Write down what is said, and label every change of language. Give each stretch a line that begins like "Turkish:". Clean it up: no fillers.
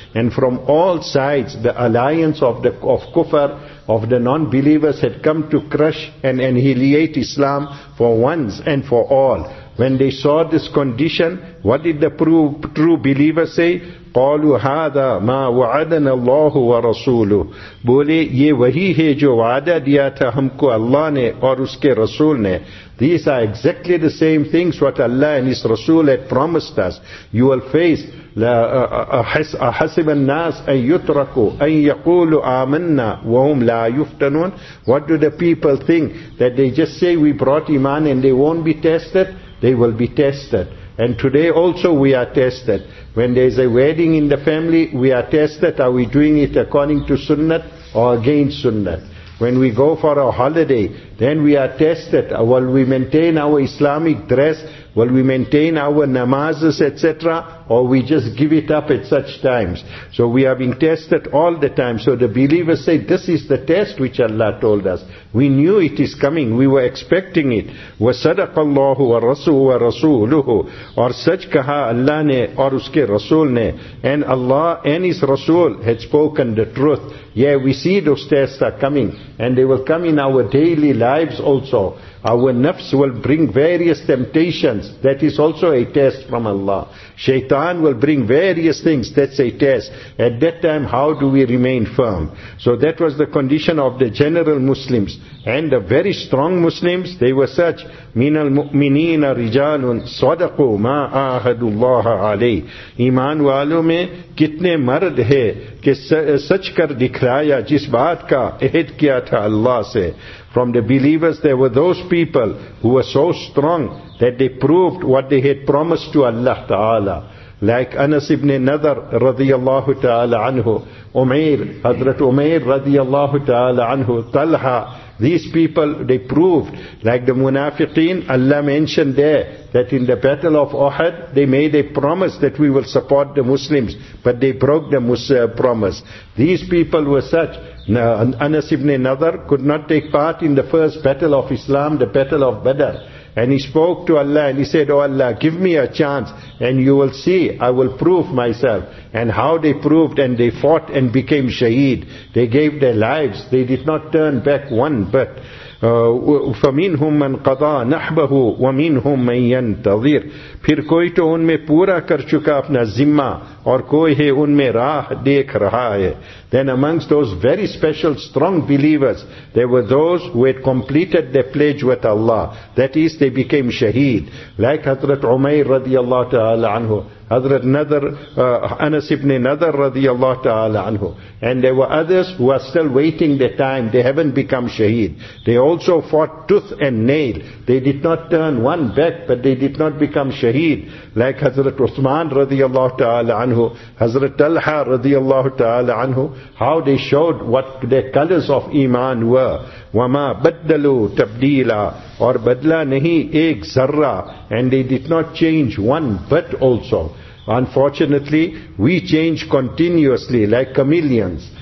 English: And from all sides, the alliance of the of Kufr, of the non-believers, had come to crush and annihilate Islam for once and for all. When they saw this condition, what did the true believers say?
Arabic: قَالُوا هَذَا مَا وَعَدَنَ اللَّهُ وَرَسُولُهُ.
Urdu: بولے یہ وہی ہے جو وعدہ دیا تھا ہم کو اللہ نے اور اس کے رسول نے.
English: These are exactly the same things what Allah and His Rasul had promised us. You will face
Arabic: أَحَسِبَ النَّاسِ أَن يُتْرَكُوا أَن يَقُولُوا آمَنَّا وَهُمْ لَا يُفْتَنُونَ.
English: What do the people think? That they just say we brought iman and they won't be tested? They will be tested. And today also we are tested. When there is a wedding in the family, we are tested. Are we doing it according to sunnat or against sunnat? When we go for a holiday, then we are tested. Will we maintain our Islamic dress? Will we maintain our namazes, etc.? Or we just give it up at such times? So we are being tested all the time. So the believers say, this is the test which Allah told us. We knew it is coming. We were expecting it.
Arabic: وَصَدَقَ اللَّهُ وَرَسُولُهُ وَرَسُولُهُ.
Urdu: اور سچ کہا اللہ نے اور اس کے رسول نے.
English: And Allah and His Rasul had spoken the truth. Yeah, we see those tests are coming. And they will come in our daily lives also. Our nafs will bring various temptations. That is also a test from Allah. Shaitan will bring various things. That's a test. At that time, how do we remain firm? So that was the condition of the general Muslims. And the very strong Muslims, they were such.
Arabic: مِنَ الْمُؤْمِنِينَ رِجَالٌ صَدَقُوا مَا آهَدُ اللَّهَ عَلَيْهِ.
Urdu: ایمان والوں میں کتنے مرد ہے کہ سچ کر دکھلایا جس بات کا عہد کیا تھا اللہ سے.
English: From the believers, there were those people who were so strong that they proved what they had promised to Allah Ta'ala. Like Anas ibn Nadhr radiyallahu ta'ala anhu, Umair, Hazrat Umair radiyallahu ta'ala anhu, Talha. These people, they proved, like the Munafiqeen, Allah mentioned there that in the battle of Uhud, they made a promise that we will support the Muslims, but they broke the promise. These people were such. Anas ibn Nadhr could not take part in the first battle of Islam, the battle of Badr. And he spoke to Allah and he said, Oh Allah, give me a chance and you will see, I will prove myself. And how they proved, and they fought and became shaheed. They gave their lives. They did not turn back one bit.
Arabic: فَمِنْهُمْ مَنْ قَضَى نَحْبَهُ وَمِنْهُمْ مَنْ يَنْتَظِرُ.
Urdu: پھر کوئی تو ان میں پورا کر چکا اپنا ذمہ اور کوئی ہے ان میں راہ دیکھ رہا ہے.
English: Then amongst those very special strong believers, there were those who had completed their pledge with Allah. That is, they became shaheed. Like حضرت Umair رضی اللہ تعالی عنہ, حضرت Nadhr, Anas ibn Nadhr رضی اللہ تعالی عنہ. And there were others who are still waiting their time. They haven't become shaheed. They also fought tooth and nail. They did not turn one back, but they did not become shaheed. Like حضرت Usman رضی اللہ تعالی عنہ, حضرت Talha رضی اللہ تعالی عنہ. How they showed what their colors of iman were.
Arabic: وَمَا بَدَّلُوا تَبْدِيلًا.
Urdu: اور بدلا نہیں ایک ذرہ.
English: And they did not change one bit also. Unfortunately, we change continuously like chameleons.